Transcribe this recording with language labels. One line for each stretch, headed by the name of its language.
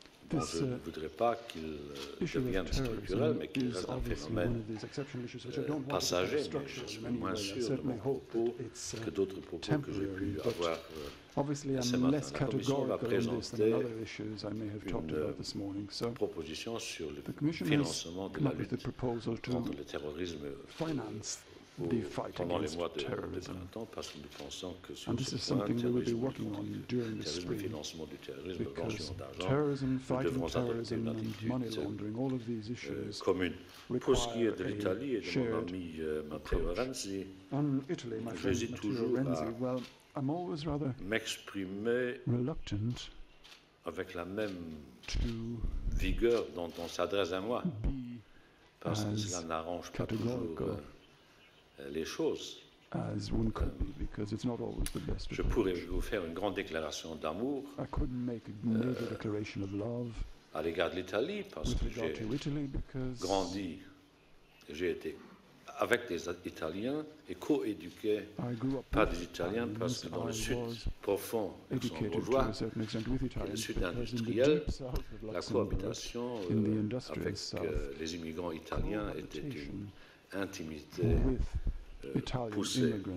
French: Bon, je ne voudrais pas qu'il devienne structurel, mais qu'il reste un phénomène passager, mais je suis moins sûr de mon propos que d'autres propos que j'ai pu avoir.
English: Obviously, I'm less categorical on this than other issues I may have talked about this morning. So, the Commission has come up with a proposal to finance the fight against terrorism. And this is something we will be working on during the spring, because terrorism, fighting terrorism and money laundering, all of these issues require a shared approach. On Italy, my friend Matteo Renzi, well, I'm always rather reluctant
French: avec la même vigueur dont on s'adresse à moi, parce que cela n'arrange pas toujours les choses.
English: As one could be, because it's not always the best.
French: Je pourrais vous faire une grande déclaration d'amour à l'égard de l'Italie, parce que j'ai été avec des Italiens et co-éduqué par des Italiens, parce que dans le sud profond, ils sont bourgeois, le sud industriel, la cohabitation avec les immigrants italiens était une intimité poussée.